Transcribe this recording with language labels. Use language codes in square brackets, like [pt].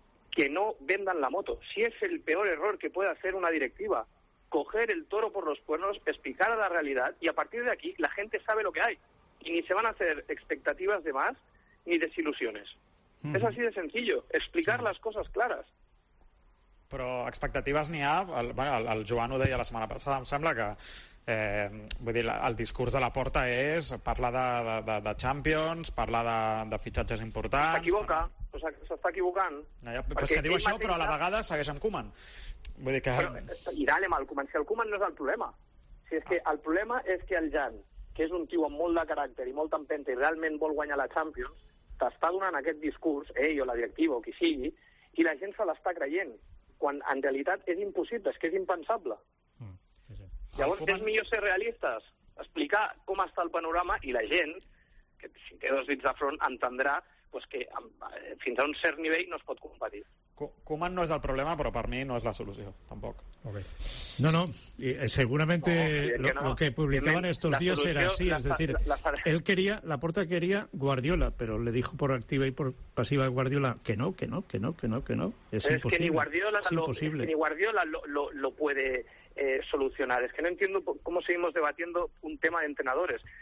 [es] Que no vendan la moto. Si es el peor error que puede hacer una directiva, coger el toro por los cuernos, explicar a la realidad, y a partir de aquí la gente sabe lo que hay. Y ni se van a hacer expectativas de más ni desilusiones. Es así de sencillo, explicar las cosas claras. [ca] Però expectatives n'hi ha, el Joan ho deia la setmana passada, em sembla que vull dir, el discurs de Laporta és parlar de Champions, parlar de fitxatges importants... S'equivoca, però... s'està equivocant. Ja, però és que diu això, però a la vegada segueix amb Koeman. Vull dir que... I dale amb el Koeman, si el Koeman no és el problema. Si és que el problema és que el Jan, que és un tio amb molt de caràcter i molta empenta i realment vol guanyar la Champions, t'està donant aquest discurs, ell o la directiva o qui sigui, i la gent se l'està creient. Quan en realitat és impossible, és que és impensable. Sí. Llavors, Koeman... és millor ser realistes, explicar com està el panorama i la gent, que si té dos dits de front, entendrà pues, que fins a un cert nivell no es pot competir. Koeman no és el problema, però per mi no és la solució, tampoc. Okay. [es] No, no, y, seguramente no, lo que publicaban estos días solució, era así, es decir, él quería, Laporta quería Guardiola, pero le dijo por activa y por pasiva a Guardiola que no, es pero imposible. Es que ni Guardiola, ni Guardiola lo puede solucionar, es que no entiendo cómo seguimos debatiendo un tema de entrenadores.